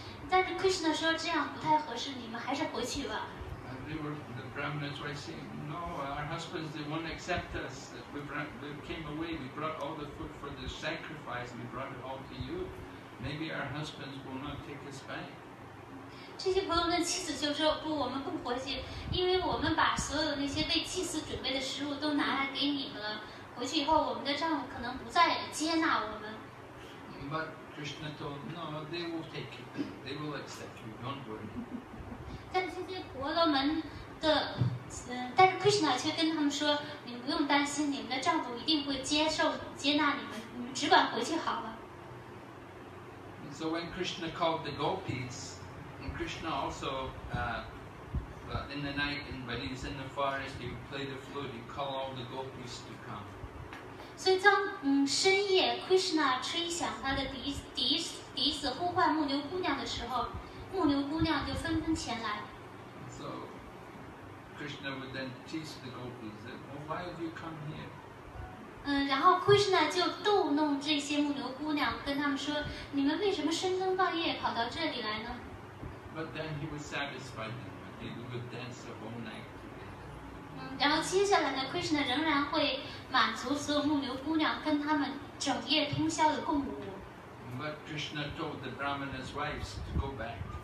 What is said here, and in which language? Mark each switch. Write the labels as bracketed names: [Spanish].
[Chinese] 但是 Krishna 说这样不太合适，你们还是回去吧。 [English] Brahmanas were saying, no, our husbands, they won't accept us. We came away, we brought all the food for the sacrifice, we brought it all to you. Maybe our husbands will not take us back. [Chinese] 这些朋友们的妻子就说，不，我们不回去，因为我们把所有那些为祭祀准备的食物都拿来给你们了。回去以后，我们的丈夫可能不再接纳我们。 [English] But Krishna told, no, they will take you, they will accept you, don't worry. [Chinese] 但这些婆罗门的，但是 Krishna 却跟他们说，你们不用担心，你们的丈夫一定会接受接纳你们，你们只管回去好了。 [English] So when Krishna called the gopis, and Krishna also, in the night, when he's in the forest, he would play the flute, he'd call all the gopis to come. [Chinese] 所以当深夜 Krishna 吹响他的笛子呼唤牧牛姑娘的时候，牧牛姑娘就纷纷前来。 [English] So,Krishna would then tease the gopis that, well, why have you come here? [Chinese] 然后 Krishna 就逗弄这些牧牛姑娘，跟他们说，你们为什么深更半夜跑到这里来呢？ [English] But then he would satisfy them, they would dance the whole night together. [Chinese] 然后接下来呢， Krishna 仍然会满足所有牧牛姑娘，跟他们整夜通宵的共舞。 [English] But Krishna told the Brahmana's wives to go back.